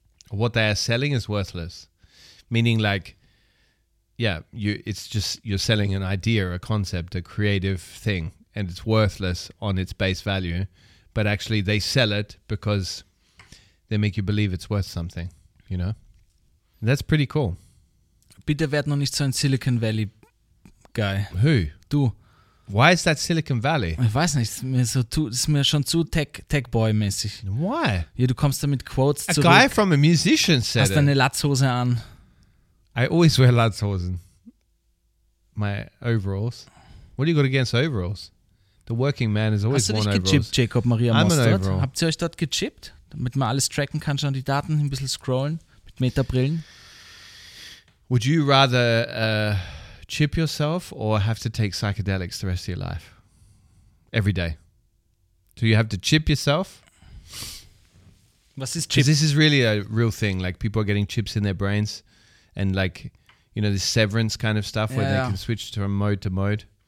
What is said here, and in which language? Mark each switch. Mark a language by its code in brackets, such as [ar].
[en] What they are selling is worthless. Meaning you're selling an idea, a concept, a creative thing, and it's worthless on its base value. But actually they sell it because they make you believe it's worth something, you know? And that's pretty cool. [de] Bitte werd noch nicht so ein Silicon Valley guy. [en] Who? [de] Du. [en] Why is that Silicon Valley? [de] Ich weiß nicht, ist mir schon zu Tech-Boy-mäßig. [en] Why? [de] Ja, du kommst da mit Quotes zurück. [en] A guy from a musician said it. [de] Hast deine Latzhose an. [en] I always wear Latzhosen. My overalls. What do you got against overalls? The working man is always worn overalls. [de] Hast du dich gechippt, Jacob Maria Mostert? Habt ihr euch dort gechippt? Damit man alles tracken kann, schon die Daten ein bisschen scrollen mit Meta-Brillen. [en] Would you rather chip yourself or have to take psychedelics the rest of your life? Every day. Do you have to chip yourself? [de] Was ist chip? [en] This is really a real thing. Like people are getting chips in their brains and like, you know, this severance kind of stuff where they can switch from mode to mode.